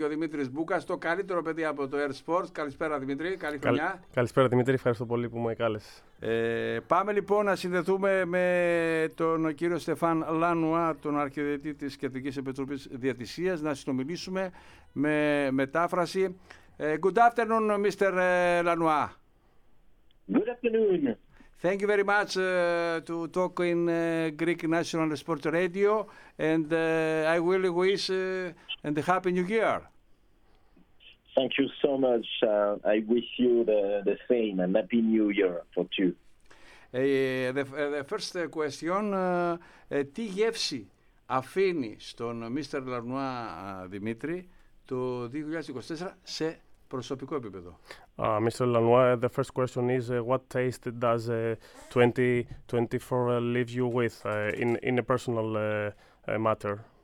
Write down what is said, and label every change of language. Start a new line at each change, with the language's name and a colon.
Greek: Ο Δημήτρης Μπούκας, το καλύτερο παιδί από το Air Sports. Καλησπέρα Δημήτρη, καλή χρονιά. Καλησπέρα Δημήτρη, ευχαριστώ πολύ που με κάλεσες. Πάμε λοιπόν να συνδεθούμε με τον κύριο Στεφάν Λανουά, τον αρχιδιετή της Κεντρικής Επιτροπής Διαιτησίας, να συνομιλήσουμε με μετάφραση.
English: Good afternoon, Mr. Λανουά. Good afternoon. Thank you very much to talk in Greek National Sport Radio, and I will wish and a happy new year. Thank you so much. I wish you the same, and happy new year for you. The first question,
Greek: τι γεύση αφήνει στον Mr. Λανουά Δημήτρη το 2024 σε προσωπικό επίπεδο.
English: Mr. Lanois, the first question is, what taste does 2024 leave you with in a personal matter?